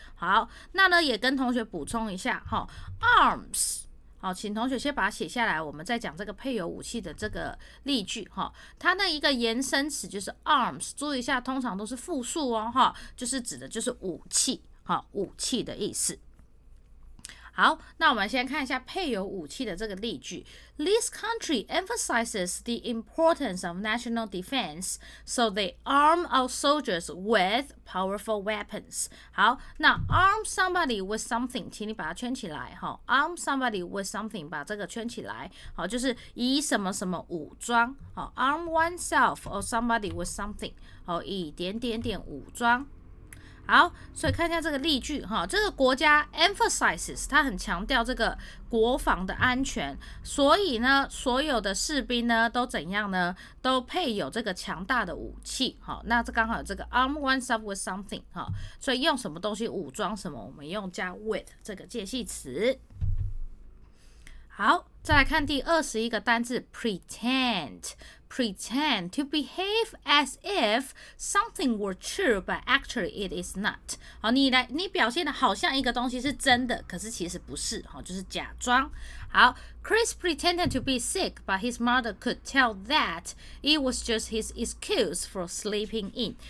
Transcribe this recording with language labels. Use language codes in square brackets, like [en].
[zh] 好，那呢也跟同学补充一下 arms， 好，请同学先把它写下来，我们再讲这个配有武器的这个例句。它那一个延伸词就是 arms， 注意一下通常都是复数哦，就是指的就是武器，武器的意思。好，那我们先看一下配有武器的这个例句。 [en] This country emphasizes the importance of national defense, so they arm our soldiers with powerful weapons。 [zh] 好，那 [en] arm somebody with something， [zh] 请你把它圈起来， arm somebody with something， 把这个圈起来，好，就是以什么什么武装， [en] arm oneself or somebody with something， [zh] 好，以点点点武装。好，所以看一下这个例句，这个国家 emphasizes， 它很强调这个国防的安全，所以呢所有的士兵呢都怎样呢，都配有这个强大的武器。好，那这刚好有这个 [en] arm oneself with something， [zh] 所以用什么东西武装什么，我们用加 with 这个介系词。好，再来看第21个单字 pretend。 [en] Pretend to behave as if something were true, but actually it is not. [zh] 好，你表现的好像一个东西是真的，可是其实不是，好，就是假装。 [en] 好 ，Chris pretended to be sick, but his mother could tell that it was just his excuse for sleeping in.